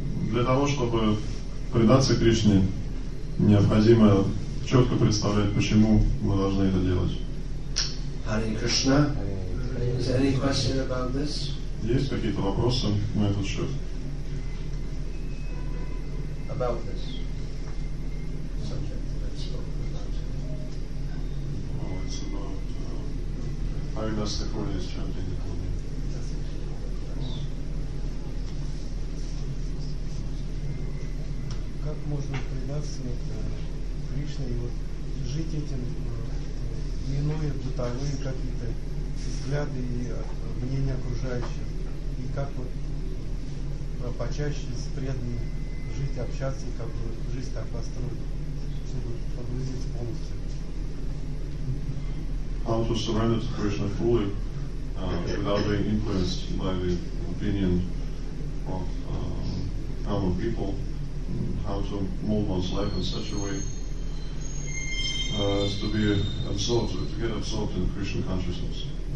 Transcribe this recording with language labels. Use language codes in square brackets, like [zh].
[ru] Для того, чтобы предаться Кришне, необходимо четко представлять, почему мы должны это делать. [en] Hare Krishna. Is there any question about this? [ru] Есть какие-то вопросы на этот счет? [en] About this subject that I spoke about today. Oh, it's about how does the Lord is chanting the Kali. [ru] Как можно предаться Кришне и вот жить этим, минуя бытовые какие-то взгляды и мнения окружающих, и как вот почаще с преданными жить, общаться и как бы жизнь так построить, чтобы погрузиться полностью. [en] How to surrender to Krishna fully without being influenced by the opinion of common people, how to move one's life in such a way as to be absorbed, to get absorbed in Krishna consciousness.